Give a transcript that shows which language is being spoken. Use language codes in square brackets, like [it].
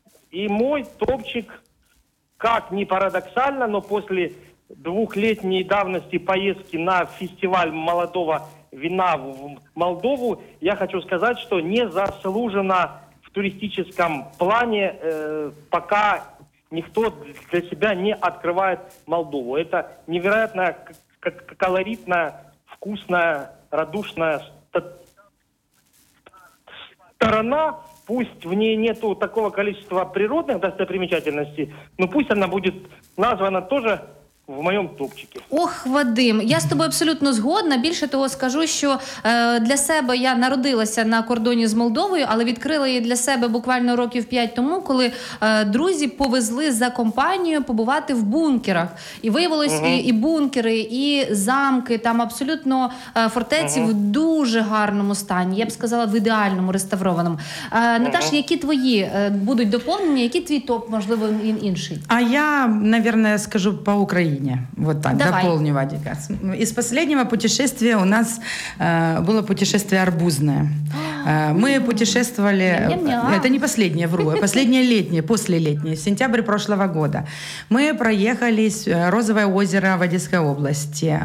[ru] И мой топчик, как ни парадоксально, но после двухлетней давности поездки на фестиваль молодого вина в Молдову, я хочу сказать, что незаслуженно в туристическом плане пока [uk] ніхто для себе не відкриває Молдову. Це невероятно колоритна, вкусна, радушна [ru] сторона, пусть в ней нету такого количества природных достопримечательностей, но пусть она будет названа тоже [uk] в моєму топчику. Ох, Вадим, я з тобою абсолютно згодна. Більше того, скажу, що для себе я народилася на кордоні з Молдовою, але відкрила її для себе буквально років 5 тому, коли друзі повезли за компанію побувати в бункерах. І виявилось, і бункери, і замки, там абсолютно фортеці в дуже гарному стані. Я б сказала, в ідеальному, реставрованому. Наташа, які твої будуть доповнення? Який твій топ, можливо, інший? [ru] А я, наверное, скажу по Україні. Вот так, дополню, Вадика. Из последнего путешествия у нас было путешествие арбузное. Мы путешествовали... Это не последнее, вру. Последнее летнее, послелетнее, в сентябре прошлого года. Мы проехались Розовое озеро в Одесской области.